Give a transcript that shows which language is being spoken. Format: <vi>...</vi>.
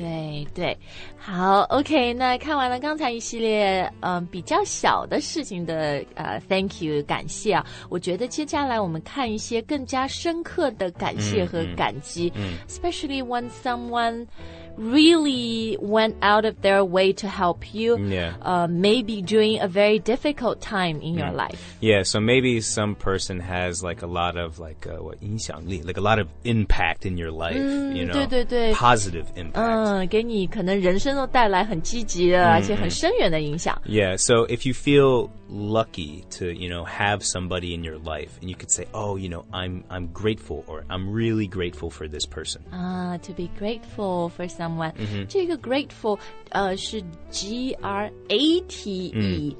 <zh>对对好 OK 那看完了刚才一系列比较小的事情的thank you 感谢啊我觉得接下来我们看一些更加深刻的感谢和感激、</zh> <en>especially when someone really went out of their way to help you maybe during a very difficult time in your life yeah so maybe some person has like a lot of like what 影响力 like a lot of impact in your life、you know</en> <zh>对对对</zh> <en>positive impact</en> <zh>给你可能人生都带来很积极的、而且很深远的影响</zh> <en>yeah so if you feel lucky to you know have somebody in your life and you could say oh you know I'm grateful or I'm really grateful for this person to be grateful for someone、这个 grateful 是 G-R-A-T-E、</en>